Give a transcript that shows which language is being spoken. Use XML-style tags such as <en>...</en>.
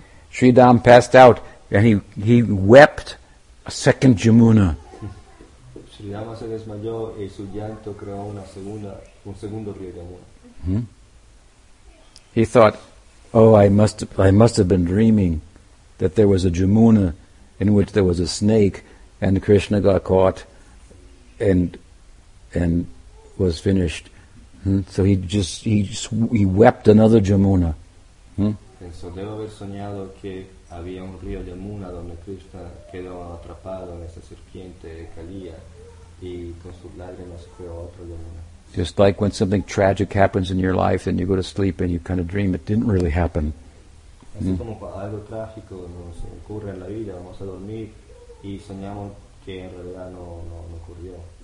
<en>Sri Dham passed out and he wept a second Yamuna.</en> <es>Sri Dham se desmayó y su llanto creó una segunda, un segundo río de amor.</es> <en>He thought, oh, I must have been dreaming that there was a Yamuna in which there was a snake and Krishna got caught and was finished. So he wept another Yamuna.</en> <es>Pensó, debo haber soñado que había un río Yamuna donde Krishna quedó atrapado en esa serpiente de Kaliya y con sus lágrimas creó otro Yamuna.</es> <en>Just like when something tragic happens in your life and you go to sleep and you kind of dream it didn't really happen.</en> <es>Así como cuando algo trágico nos ocurre en la vida, vamos a dormir y soñamos que en realidad no ocurrió.</es>